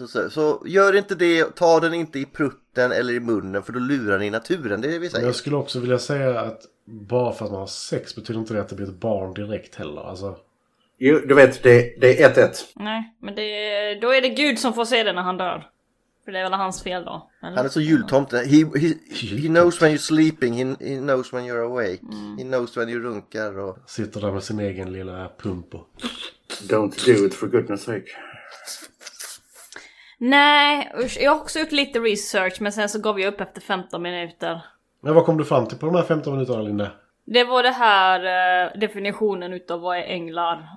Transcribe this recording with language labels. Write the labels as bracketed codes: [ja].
[sv] Så gör inte det, ta den inte i prutten eller i munnen, för då lurar ni naturen, det är det vi säger. Men jag skulle också vilja säga att bara för att man har sex betyder inte det att det blir ett barn direkt heller, alltså. Jo, du vet, det är 1-1. Nej, men då är det Gud som får se det när han dör. För det är väl hans fel då? Eller? Han är så jultomten. [en] He knows when you're sleeping, he knows when you're awake. Mm. He knows when you [sv] runkar. Och... sitter där med sin egen lilla pump och... [en] Don't do it for goodness sake. [sv] Nej, usch. Jag har också gjort lite research, men sen så gav jag upp efter 15 minuter. Men vad kom du fram till på de här 15 minuterna, Linda? Det var det här definitionen utav vad är änglar.